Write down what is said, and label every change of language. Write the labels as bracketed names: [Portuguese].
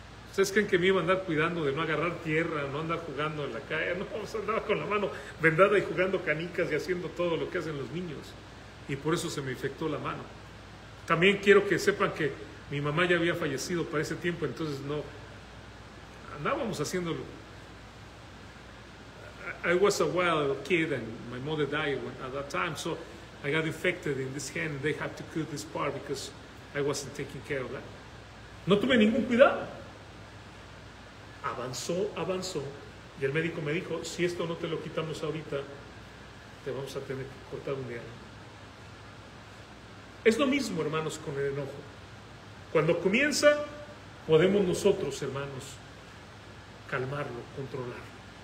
[Spanish] ¿Ustedes creen que me iba a andar cuidando de no agarrar tierra, no andar jugando en la calle? No, o sea, andaba con la mano vendada y jugando canicas y haciendo todo lo que hacen los niños. Y por eso se me infectó la mano. También quiero que sepan que mi mamá ya había fallecido para ese tiempo, entonces no andábamos haciéndolo. [English] I was a wild kid and my mother died at that time, so I got infected in this hand and they had to cut this part because I wasn't taking care of that. [Spanish] No tuve ningún cuidado. Avanzó, y el médico me dijo, si esto no te lo quitamos ahorita, te vamos a tener que cortar un diálogo. Es lo mismo, hermanos, con el enojo. Cuando comienza, podemos nosotros, hermanos, calmarlo, controlarlo.